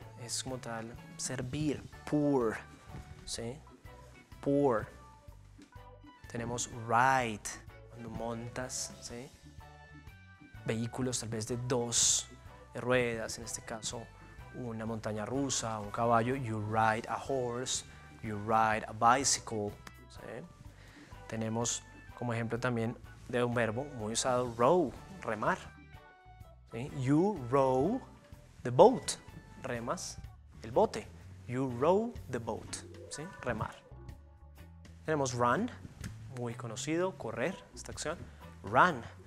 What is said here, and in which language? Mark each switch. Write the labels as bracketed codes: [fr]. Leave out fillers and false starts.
[es] Es como tal, servir. Pour. ¿Sí? Pour. Tenemos ride. Cuando montas, ¿sí? Vehículos tal vez de dos ruedas, en este caso una montaña rusa, un caballo. [en] You ride a horse, you ride a bicycle. [es] ¿Sí? Tenemos como ejemplo también de un verbo muy usado, row, remar. ¿Sí? [en] You row the boat, [es] remas el bote. [en] You row the boat, [es] ¿sí? Remar. Tenemos run, muy conocido, correr, esta acción. Run.